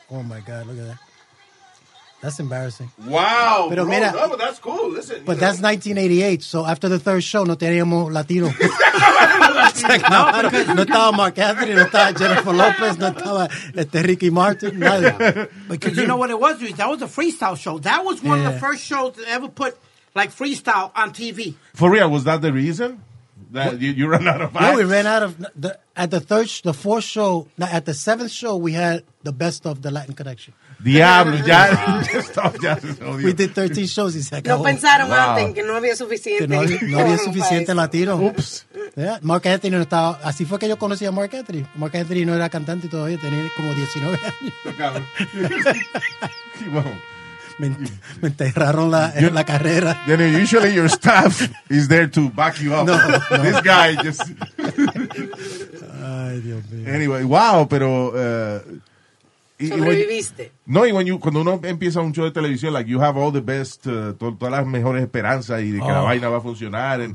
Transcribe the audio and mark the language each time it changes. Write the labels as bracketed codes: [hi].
[en] Oh, my God, look at that. That's embarrassing. Wow. [es] Pero [en] bro, [es] mira, no, [en] but that's cool. Listen. But that's 1988, so after the third show, [es] no teníamos Latino. No, no estaba Mark Anthony, no estaba Jennifer Lopez, no estaba Ricky Martin, nada. [en] Because you know what it was, Luis? That was a freestyle show. That was one of the first shows to ever put, like, freestyle on TV. For real, was that the reason? That you ran out of ice? No, we ran out of... the fourth show, now at the seventh show, we had the best of the Latin Connection. [es] Diablo, ya. [en] Stop, [es] ya. [en] We did 13 shows [es] y se acabó. No pensaron antes que no había suficiente. Que no había suficiente latino. Oops. [en] Yeah. [es] Mark Anthony no estaba. Así fue que yo conocí a Mark Anthony. Mark Anthony no era cantante todavía, tenía como 19 años. Me enterraron la carrera. [en] Then usually your staff is there to back you up. No. This guy just. [es] Ay, Dios mío. [en] Anyway, wow, [es] pero... sobreviviste. No, y [en] when you, [es] cuando uno empieza un show de televisión, [en] like, you have all the best, [es] todas las mejores esperanzas y de que la vaina va a funcionar. [en] And,